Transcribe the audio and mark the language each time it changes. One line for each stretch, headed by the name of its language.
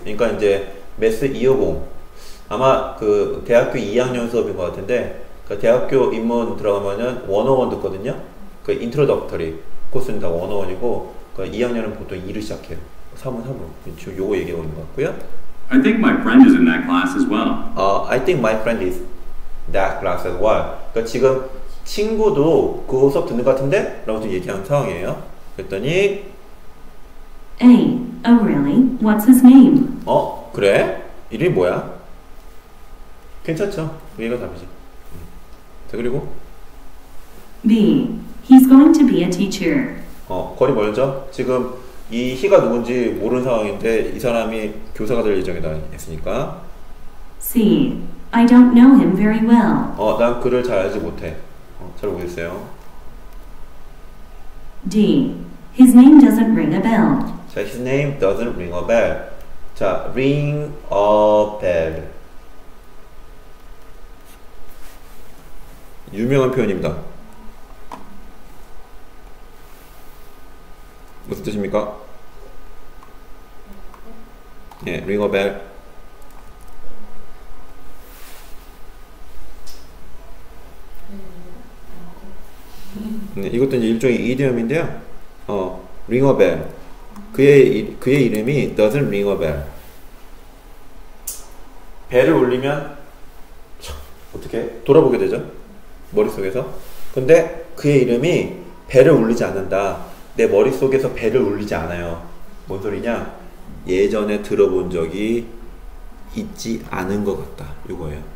Korean: 그러니까 이제 Math 250. 아마 그 대학교 2학년 수업인 것 같은데 그 대학교 입문 들어가면은 101 듣거든요? 그 Introductory 코스는 다 101이고 그러니까 2학년은 보통 2를 시작해요. 3은 3으로. 지금 요거 얘기하고 있는 것 같고요.
English: I think my friend is in that class as well. I think my friend is that class as well.
Korean: 그러니까 지금 친구도 그 수업 듣는 것 같은데? 라고 지금 얘기하는 상황이에요. 그랬더니
English: Hey, oh really? What's his name?
Korean: 어? 그래? 이름이 뭐야? 괜찮죠? 얘가 답이지. 자, 그리고
English: B. He's going to be a teacher.
Korean: 거리 멀죠? 지금 이 희가 누군지 모르는 상황인데 이 사람이 교사가 될 예정이다 했으니까
English: C. I don't know him very well.
Korean: 난 그를 잘 알지 못해. 잘 모르겠어요.
English: D. His name doesn't ring a bell. 자, his name doesn't ring a bell. 자, ring a bell.
Korean: 유명한 표현입니다. 무슨 뜻입니까?
English: 예, ring a bell.
Korean: 네, 이것도 이제 일종의 이디엄인데요.
English: ring a bell.
Korean: 그의 이름이
English: doesn't ring a bell.
Korean: 벨을 울리면 어떻게 돌아보게 되죠? 머릿속에서. 근데 그의 이름이 벨을 울리지 않는다. 내 머릿속에서 벨을 울리지 않아요. 뭔 소리냐? 예전에 들어본 적이 있지 않은 것 같다. 이거예요.